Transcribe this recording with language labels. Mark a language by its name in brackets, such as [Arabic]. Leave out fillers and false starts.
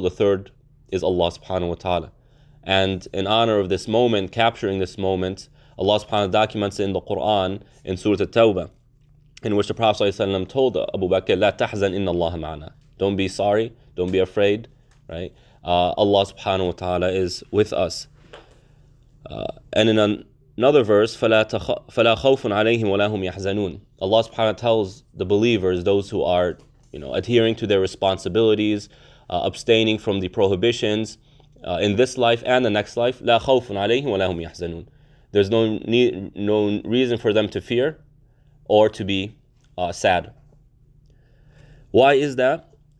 [English] The third is Allah subhanahu wa ta'ala. And in honor of this moment, capturing this moment, Allah subhanahu wa ta'ala documents in the Quran in Surah At-Tawbah, in which the Prophet ﷺ told Abu Bakr, [Arabic] لا تحزن إن الله معنا. [English] Don't be sorry, don't be afraid, right? Allah subhanahu wa ta'ala is with us. And in another verse, [Arabic] فَلَا خَوْفٌ عَلَيْهِمْ وَلَا هُمْ يَحْزَنُونَ. [English] Allah subhanahu wa ta'ala tells the believers, those who are, you know, adhering to their responsibilities, abstaining from the prohibitions in this life and the next life, [Arabic] لَا خَوْفٌ عَلَيْهِمْ وَلَا هُمْ يَحْزَنُونَ. [English] There's no reason for them to fear or to be sad. Why is that?